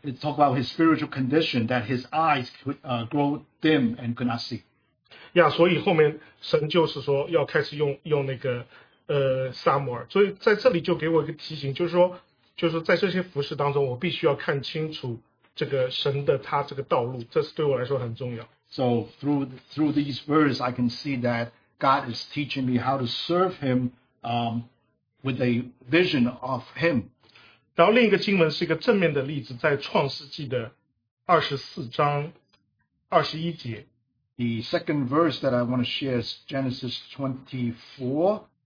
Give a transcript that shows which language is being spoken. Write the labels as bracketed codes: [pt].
[en] It's talk about his spiritual condition that his eyes could grow dim and could not see. [zh] Yeah, 所以后面神就是说要开始用那个撒母耳，所以在这里就给我一个提醒，就是说在这些服事当中，我必须要看清楚这个神的他这个道路，这是对我来说很重要。So [en] through these verses, I can see that God is teaching me how to serve Him. With a vision of him. [zh] 然后另一个经文是一个正面的例子，在创世纪的24章21节。 [en] The second verse that I want to share is Genesis 24.